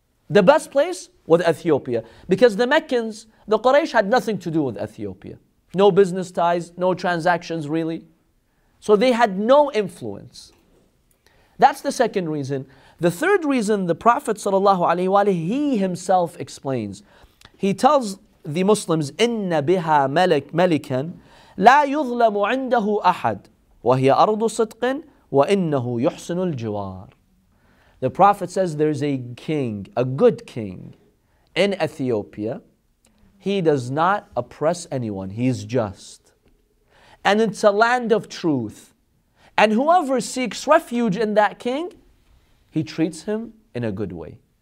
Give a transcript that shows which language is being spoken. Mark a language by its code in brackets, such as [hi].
[en] The best place was Ethiopia. Because the Meccans, the Quraysh had nothing to do with Ethiopia. No business ties, no transactions really. So they had no influence. That's the second reason. The third reason the Prophet ﷺ, he himself explains. He tells the Muslims, [ar] إِنَّ بِهَا مَلِكًا لَا يُظْلَمُ عِنْدَهُ أَحَدٍ وَهِيَ أَرْضُ صِدْقٍ وَإِنَّهُ يُحْسِنُ الْجِوَارِ. [en] The Prophet says there's a king, a good king in Ethiopia. He does not oppress anyone. He is just. And it's a land of truth. And whoever seeks refuge in that king, he treats him in a good way.